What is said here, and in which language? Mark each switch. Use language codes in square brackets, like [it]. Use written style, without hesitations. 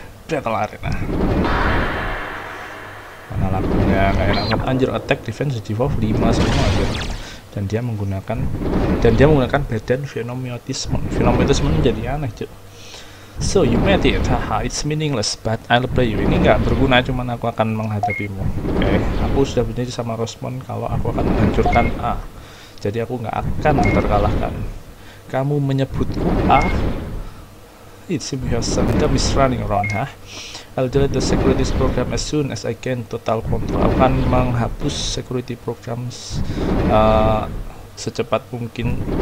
[id] Battle Arena, mana lagunya kayak enak. Anjir, attack, defense, defense, 5 semua aja. Dan dia menggunakan badan Venomotism. Venomotism menjadi aneh cuy. [en] So you met it, haha, it's meaningless, but I'll play you. [id] Ini nggak berguna, cuman aku akan menghadapimu. Oke, aku sudah berjanji sama Rosmon kalau aku akan menghancurkan A. Jadi aku nggak akan terkalahkan. Kamu menyebutku A? [en] It seems your system is running around, huh? I'll delete the security program as soon as I can. Total control. [id] Aku akan menghapus security program secepat mungkin.